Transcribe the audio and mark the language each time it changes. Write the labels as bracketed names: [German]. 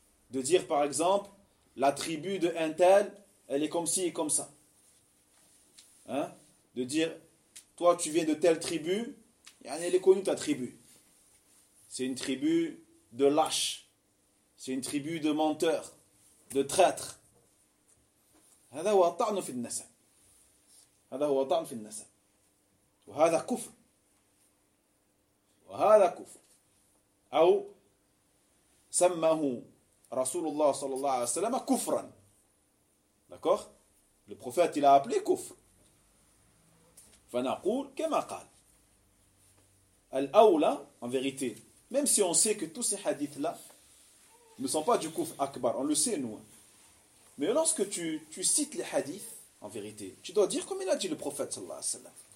[French] De dire par exemple, la tribu de un tel, elle est comme ci et comme ça. De dire, toi tu viens de telle tribu, elle est connue ta tribu. C'est une tribu de lâches. C'est une tribu de menteurs, de traîtres. [Arabic] هذا هو الطعن في النسب. هذا هو الطعن في النسب. وهذا كفر. هذا كفر. أو سمه رسول الله صلى الله عليه وسلم كفرا. [French] D'accord ? Le prophète il a appelé كفر. [Arabic] فنقول كما قال. [French] الأولى, en vérité, même si on sait que tous ces hadiths-là ne sont pas du كفر أكبر, on le sait nous. Mais lorsque tu cites les hadiths, en vérité, tu dois dire comme il a dit le prophète sallallahu alayhi wa sallam.